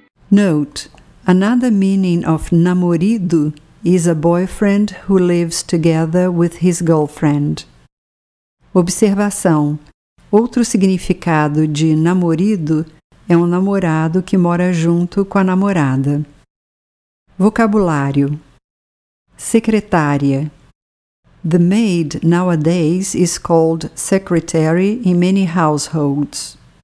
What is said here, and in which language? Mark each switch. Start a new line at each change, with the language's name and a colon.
English: Note, another meaning of namorido is a boyfriend who lives together with his girlfriend.
Portuguese: Observação: outro significado de namorido é um namorado que mora junto com a namorada. Vocabulário: secretária.
English: The maid nowadays is called secretary in many households.